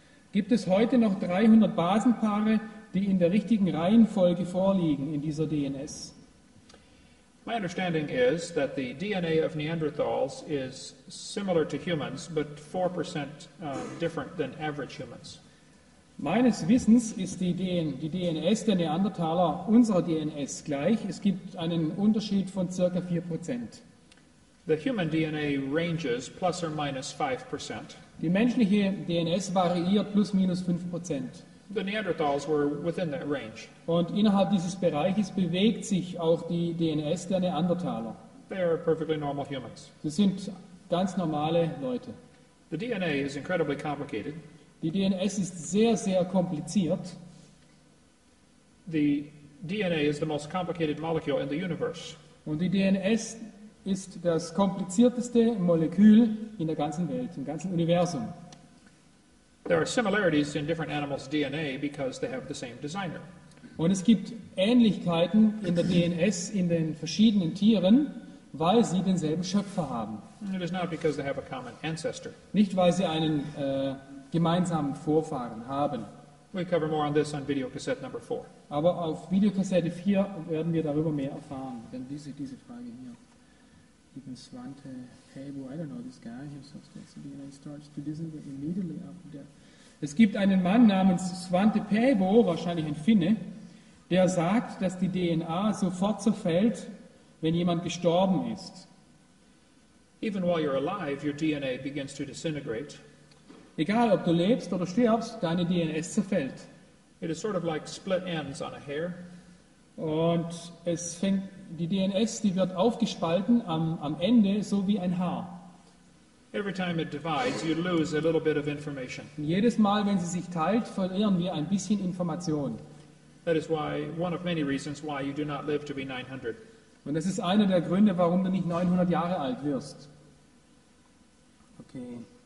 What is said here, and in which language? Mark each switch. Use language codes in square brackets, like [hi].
[de] Gibt es heute noch 300 Basenpaare, die in der richtigen Reihenfolge vorliegen in dieser DNS? [en] My understanding is that the DNA of Neanderthals is similar to humans, but 4% different than average humans. [de] Meines Wissens ist die DNS der Neandertaler unserer DNS gleich. Es gibt einen Unterschied von ca. 4%. [en] The human DNA ranges plus or minus 5%. [de] Die menschliche DNS variiert plus minus 5%. [en] The Neanderthals were within that range. [de] Und innerhalb dieses Bereiches bewegt sich auch die DNS der Neandertaler. [en] They are perfectly normal humans. [de] Sie sind ganz normale Leute. [en] The DNA is incredibly complicated. [de] Die DNS ist sehr, sehr kompliziert. [en] The DNA is the most complicated molecule in the universe. [de] Und die DNS ist das komplizierteste Molekül in der ganzen Welt, im ganzen Universum. [en] There are similarities in different animals' DNA because they have the same designer. [de] Und es gibt Ähnlichkeiten in der DNS in den verschiedenen Tieren, weil sie denselben Schöpfer haben. [en] It is not because they have a common ancestor. [de] Nicht, weil sie einen gemeinsamen Vorfahren haben. [en] We cover more on this on videocassette number 4. [de] Aber auf Videokassette 4 werden wir darüber mehr erfahren, denn diese Frage hier. [en] Even Svante Pabu, I don't know this guy, he suspects the DNA starts to disintegrate immediately after death. [de] Es gibt einen Mann namens Svante Pabu, wahrscheinlich ein Finne, der sagt, dass die DNA sofort zerfällt, wenn jemand gestorben ist. [en] Even while you're alive, your DNA begins to disintegrate. [de] Egal, ob du lebst oder stirbst, deine DNS zerfällt. [en] It is sort of like split ends on a hair. [de] Und es fängt die DNS, die wird aufgespalten am Ende, so wie ein Haar. [en] Every time it divides, you lose a little bit of information. [de] Und jedes Mal, wenn sie sich teilt, verlieren wir ein bisschen Information. [en] That is why, one of many reasons why you do not live to be 900. [de] Und das ist einer der Gründe, warum du nicht 900 Jahre alt wirst. Okay.